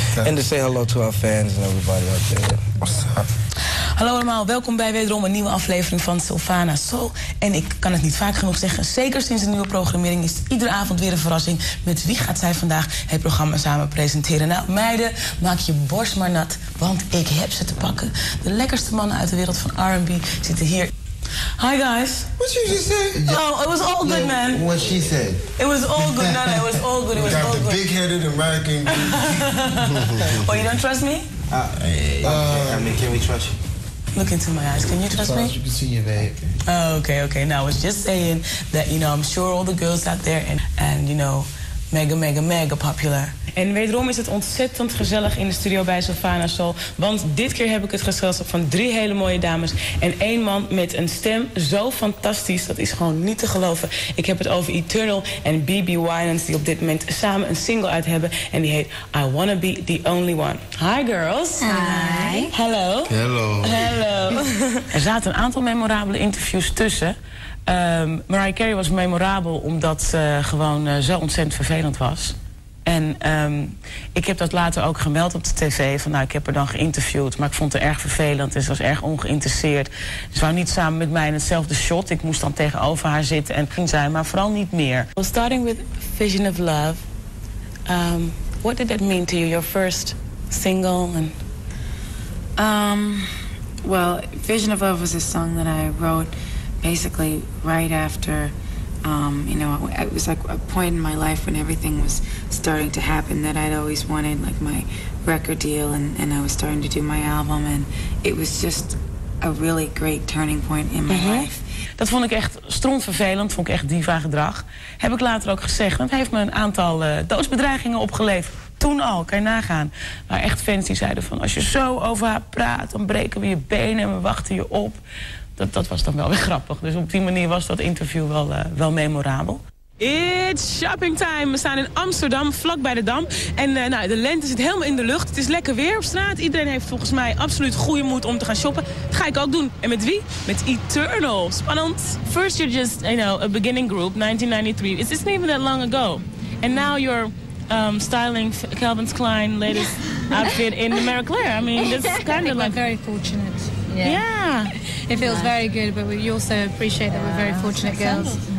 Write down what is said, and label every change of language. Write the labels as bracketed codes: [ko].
[en] And to say hello to our fans and everybody out there. What's up? [nl] Hallo allemaal, welkom bij wederom een nieuwe aflevering van Sylvana Soul. En ik kan het niet vaak genoeg zeggen, zeker sinds de nieuwe programmering is het iedere avond weer een verrassing. Met wie gaat zij vandaag het programma samen presenteren? Nou, meiden, maak je borst maar nat, want ik heb ze te pakken. De lekkerste mannen uit de wereld van R&B zitten hier. [en] Hi guys. What she just said? Oh, it was all good, man. What she said? It was all good, no, it was all good. You got all the big-headed American. Oh, you don't trust me? Okay. I mean, can we trust you? Look into my eyes. Can you trust me? As you can see your babe. Oh, okay. Now, I was just saying that, you know, I'm sure all the girls out there and you know, mega popular. [nl] En wederom is het ontzettend gezellig in de studio bij Sylvana Soul. Want dit keer heb ik het gezelschap van drie hele mooie dames. En één man met een stem zo fantastisch. Dat is gewoon niet te geloven. Ik heb het over Eternal en B.B. Winans. Die op dit moment samen een single uit hebben. En die heet I Wanna Be The Only One. [en] Hi girls. Hi. Hello. Hello. Hello. [nl] Er zaten een aantal memorabele interviews tussen. Mariah Carey was memorabel omdat ze gewoon zo ontzettend vervelend was. En ik heb dat later ook gemeld op de tv. Van, nou, ik heb haar dan geïnterviewd, maar ik vond haar erg vervelend. En ze was erg ongeïnteresseerd. Ze wou niet samen met mij in hetzelfde shot. Ik moest dan tegenover haar zitten en ging zij, maar vooral niet meer. [en] Well, starting with Vision of Love. What did that mean to you, your first single? And... Well, Vision of Love was a song that I wrote basically right after... you know, it was like a point in my life when everything was starting to happen that I'd always wanted, like my record deal, and I was starting to do my album, and it was just a really great turning point in my life. [nl] Dat vond ik echt strontvervelend, vond ik echt diva gedrag. Heb ik later ook gezegd, dat heeft me een aantal doodsbedreigingen opgeleverd. Toen al, kan je nagaan. Maar echt fans die zeiden van, als je zo over haar praat, dan breken we je benen en we wachten je op. Dat was dan wel weer grappig. Dus op die manier was dat interview wel memorabel. [en] It's shopping time. [nl] We staan in Amsterdam, vlakbij de Dam. En nou, de lente zit helemaal in de lucht. Het is lekker weer op straat. Iedereen heeft volgens mij absoluut goede moed om te gaan shoppen. Dat ga ik ook doen. En met wie? Met Eternal. Spannend. [en] First you're just, you know, a beginning group, 1993. It's not even that long ago. And now you're styling Calvin Klein's latest outfit in the Marie Claire. I mean, that's kind of like... very fortunate. Yeah. It feels very good, but we also appreciate that we're very fortunate girls.